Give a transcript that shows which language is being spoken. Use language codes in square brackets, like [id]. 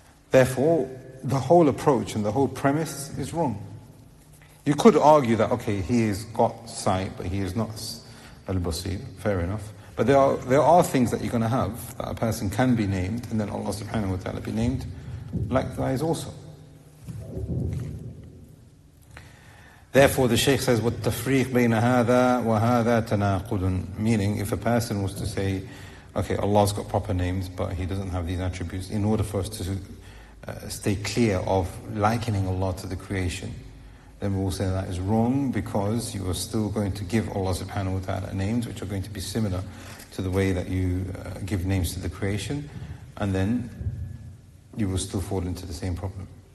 [en] Therefore, the whole approach and the whole premise is wrong. You could argue that, okay, he has got sight, but he is not al-basir. Fair enough. But there are things that you're going to have, that a person can be named, and then Allah subhanahu wa ta'ala be named, likewise also. Therefore, the Shaykh says, [ar] وَالتَّفْرِيقْ بَيْنَ هَذَا وَهَذَا تَنَاقُدٌ. [en] Meaning, if a person was to say, okay, Allah's got proper names, but He doesn't have these attributes, in order for us to stay clear of likening Allah to the creation, then we will say that is wrong, because you are still going to give Allah subhanahu wa ta'ala names which are going to be similar to the way that you give names to the creation, and then you will still fall into the same problem.